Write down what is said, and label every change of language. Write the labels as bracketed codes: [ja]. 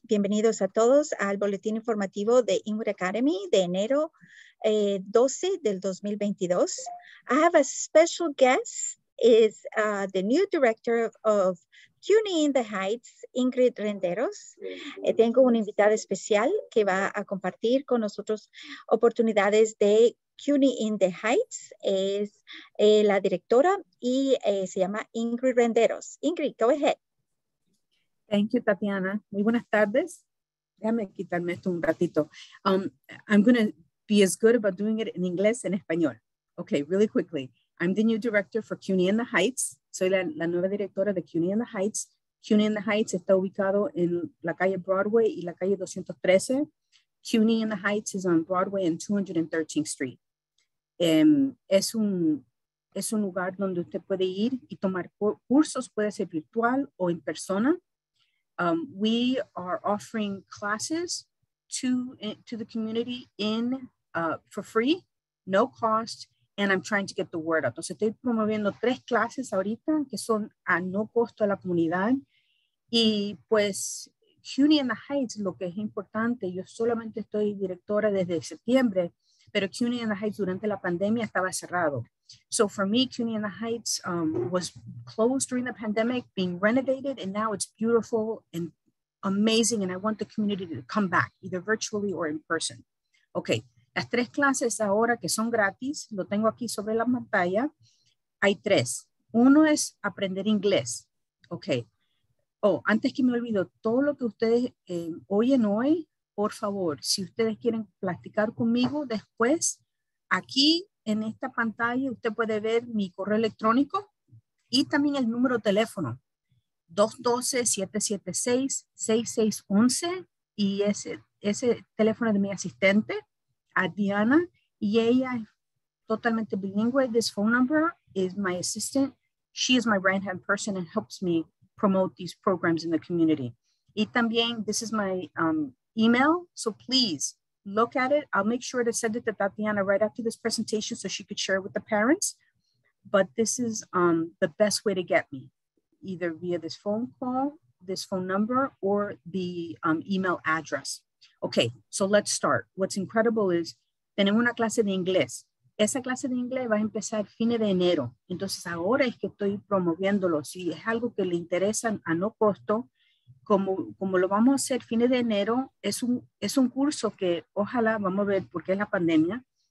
[es] Bienvenidos a todos al Boletín Informativo de Inwood Academy de enero 12 del 2022. [en] I have a special guest, is the new director of CUNY in the Heights, Ingrid Renderos. [es] Tengo una invitada especial que va a compartir con nosotros oportunidades de CUNY in the Heights, es la directora y se llama Ingrid Renderos. Ingrid, [en] go ahead. Thank you, [es] Tatiana. Muy buenas tardes. Déjame quitarme esto un ratito. [en] I'm going to be as good about doing it in inglés and español. Okay, really quickly. I'm the new director for CUNY in the Heights. [es] Soy la nueva directora de CUNY in the Heights. CUNY in the Heights está ubicado en la calle Broadway y la calle 213. [en] CUNY in the Heights is on Broadway and 213th Street. [es] Es un lugar donde usted puede ir y tomar cursos, puede ser virtual o en persona. [en] We are offering classes to the community in for free, no cost, and I'm trying to get the word out. [es] Entonces estoy promoviendo tres clases ahorita que son a no costo a la comunidad y pues CUNY in the Heights, lo que es importante, yo solamente estoy directora desde septiembre, pero CUNY in the Heights durante la pandemia estaba cerrado. [en] So for me, CUNY in the Heights was closed during the pandemic, being renovated, and now it's beautiful and amazing, and I want the community to come back, either virtually or in person. [es] Okay, las tres clases ahora que son gratis, lo tengo aquí sobre la pantalla, hay tres. Uno es aprender inglés, okay. Oh, antes que me olvido, todo lo que ustedes oyen hoy, por favor, si ustedes quieren platicar conmigo después, aquí en esta pantalla usted puede ver mi correo electrónico y también el número de teléfono, 212-776-6611, y ese teléfono de mi asistente, a Diana, y ella es totalmente bilingüe. [en] This phone number is my assistant. She is my right-hand person and helps me promote these programs in the community. [es] Y también, [en] this is my email, so please look at it. I'll make sure to send it to Tatiana right after this presentation so she could share it with the parents. But this is the best way to get me, either via this phone call, this phone number, or the email address. Okay, so let's start. What's incredible is, [es] tenemos una clase de inglés. Esa clase de inglés va a empezar fines de enero. Entonces, ahora es que estoy promoviéndolo. Si es algo que le interesa a no costo, como lo vamos a hacer fines de enero, es un curso que ojalá, vamos a ver por qué es la pandemia.